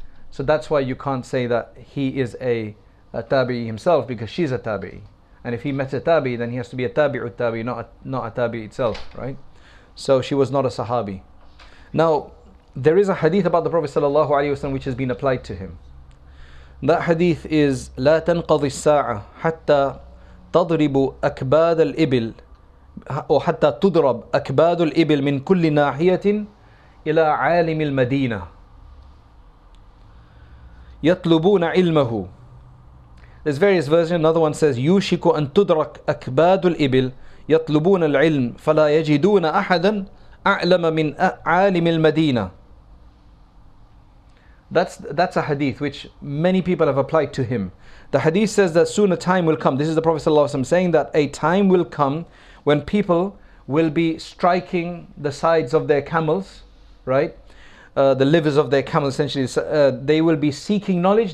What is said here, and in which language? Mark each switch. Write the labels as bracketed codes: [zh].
[en] So that's why you can't say that he is a Tabi'i himself because she's a Tabi'i. And if he met a Tabi'i, then he has to be a Tabi'u Tabi'i, not a Tabi'i itself, right? So she was not a Sahabi. Now, there is a hadith about the Prophet sallallahu alayhi wa sallam which has been applied to him. That hadith is [ar] لا تنقضي الساعة حتى تضرب أكباد الإبل أو حتى تضرب أكباد الإبل من كل ناحية إلى عالم المدينة يطلبون علمه. [en] There's various versions. Another one says [ar] يوشك أن تدرك أكباد الإبل يطلبون العلم فلا يجدون أحدا أعلم من عالم المدينة. [en] That's a hadith which many people have applied to him. The hadith says that soon a time will come. This is the Prophet ﷺ saying that a time will come when people will be striking the sides of their camels, right? The livers of their camels, essentially. They will be seeking knowledge.